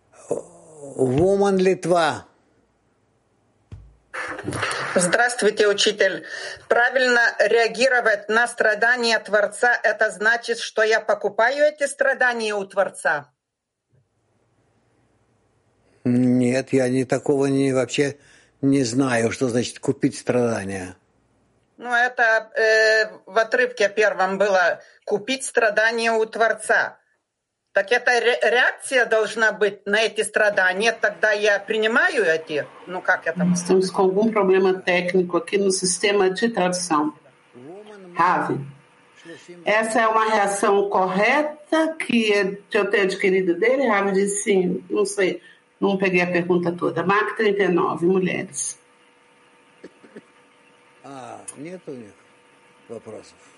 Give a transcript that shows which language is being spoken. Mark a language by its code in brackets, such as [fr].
[ru] Woman Литва. Здравствуйте, учитель. Правильно реагировать на страдания Творца, это значит, что я покупаю эти страдания у Творца? Нет, я вообще не знаю, что значит купить страдания. Ну, это в отрывке первом было «купить страдания у Творца». Так это реакция должна быть на эти страдания, тогда я принимаю эти? Ну, как это? Мы стоим с какой-то проблемой технику, [pt] aqui no sistema de tradução. Rave. Essa é uma reação correta que eu tenho adquirido dele? Rave disse sim, não sei. Não peguei a pergunta toda. Mark 39, mulheres. [ru] Ah, нет у них вопросов.